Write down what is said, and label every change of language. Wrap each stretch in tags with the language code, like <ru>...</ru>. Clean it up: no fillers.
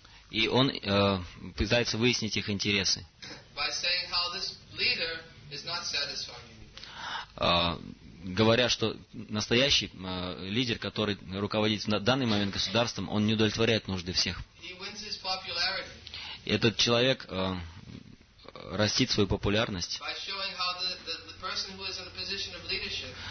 <ru>И он пытается выяснить их интересы.</ru> <en>By saying how this leader is not satisfying anybody.</en> <ru>Говоря, что настоящий лидер, который руководит на данный момент государством, он не удовлетворяет нужды всех.</ru> <en>He wins his popularity.</en> <ru>Этот человек растит свою популярность.</ru> <en>By showing how the person who is in a position of leadership.</en>